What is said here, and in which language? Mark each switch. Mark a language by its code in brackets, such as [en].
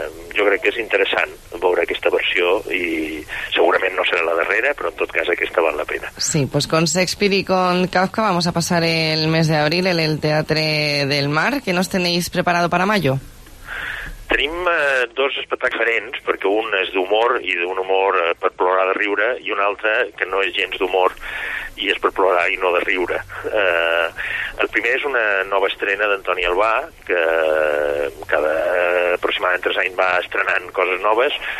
[ca] Jo crec que és interessant veure aquesta versió, i segurament no serà la darrera, però en tot cas aquesta val la pena. [es] Sí, pues con Shakespeare y con Kafka vamos a pasar el mes de abril en el Teatre del Mar. ¿Qué nos tenéis preparado para mayo? [ca] Tenim dos espectacles diferents, perquè un és d'humor, i d'un humor per plorar de riure, i un altre que no és gens d'humor i és per plorar i no de riure. El primer és una nova estrena d'Antoni Albà, que cada aproximadament 3 anys va estrenant coses noves.